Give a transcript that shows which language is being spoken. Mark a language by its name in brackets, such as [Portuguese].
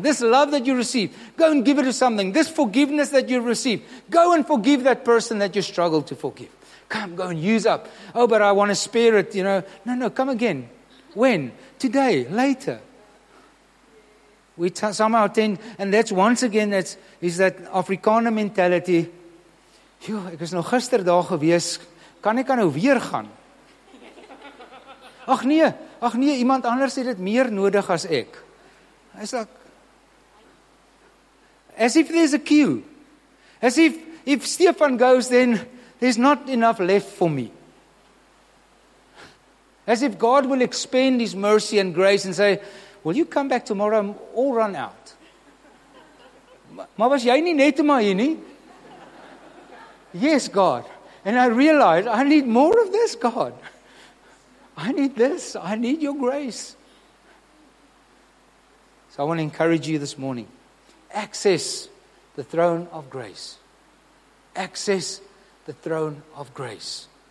[English] This love that you receive, go and give it to something. This forgiveness that you receive, go and forgive that person that you struggle to forgive. Come, go and use up. Oh, but I want to spare it, you know. No, no, come again. When? Today, later. We somehow tend, and that's once again, is that Afrikaner mentality. [Afrikaans] Ek is nog gisterdag gewees, kan ek nou weer gaan? Ach nee, iemand anders het dit meer nodig as ek. [English] It's like, as if there's a queue. As if Stefan goes, then there's not enough left for me. As if God will expend his mercy and grace and say, will you come back tomorrow? I'm all run out. [Afrikaans] Maar was jy nie net maar hier nie? [English] Yes, God. And I realized I need more of this, God. I need this. I need your grace. So I want to encourage you this morning. Access the throne of grace. Access the throne of grace.